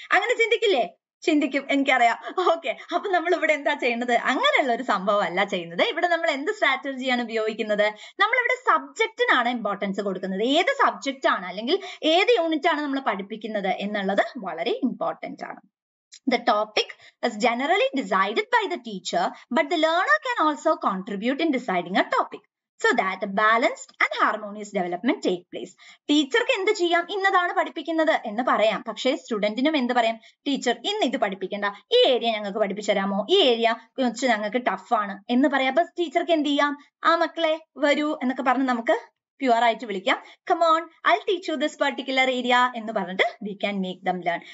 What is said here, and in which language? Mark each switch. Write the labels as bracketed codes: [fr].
[ml] അങ്ങനെ ചിന്തിക്കില്ലേ, ചിന്തിക്കും എനിക്കറിയാം. ഓക്കെ, അപ്പൊ നമ്മൾ ഇവിടെ എന്താ ചെയ്യുന്നത്, അങ്ങനെയുള്ള ഒരു സംഭവം അല്ല ചെയ്യുന്നത്. ഇവിടെ നമ്മൾ എന്ത് സ്ട്രാറ്റജിയാണ് ഉപയോഗിക്കുന്നത്, നമ്മളിവിടെ സബ്ജക്റ്റിനാണ് ഇമ്പോർട്ടൻസ് കൊടുക്കുന്നത്. ഏത് സബ്ജക്റ്റ് ആണ് അല്ലെങ്കിൽ ഏത് യൂണിറ്റ് ആണ് നമ്മൾ പഠിപ്പിക്കുന്നത് എന്നുള്ളത് വളരെ ഇമ്പോർട്ടൻ്റ് ആണ്. [en] The topic is generally decided by the teacher, but the learner can also contribute in deciding a topic. So that a balanced and harmonious development take place. [ml] ടീച്ചർക്ക് എന്ത് ചെയ്യാം, ഇന്നതാണ് പഠിപ്പിക്കുന്നത് എന്ന് പറയാം. പക്ഷേ സ്റ്റുഡന്റിനും എന്ത് പറയാം, ടീച്ചർ ഇന്ന് ഇത് പഠിപ്പിക്കണ്ട, ഈ ഏരിയ ഞങ്ങൾക്ക് പഠിപ്പിച്ചതരാമോ, ഈ ഏരിയ കുറച്ച് ഞങ്ങൾക്ക് ടഫാണ് എന്ന് പറയാം. അപ്പൊ ടീച്ചർക്ക് എന്ത് ചെയ്യാം, ആ മക്കളെ വരൂ എന്നൊക്കെ പറഞ്ഞ് നമുക്ക് പ്യുവർ ആയിട്ട് വിളിക്കാം. [en] come on, I will teach you this particular area [ml] എന്ന് പറഞ്ഞിട്ട് [en] We can make them learn.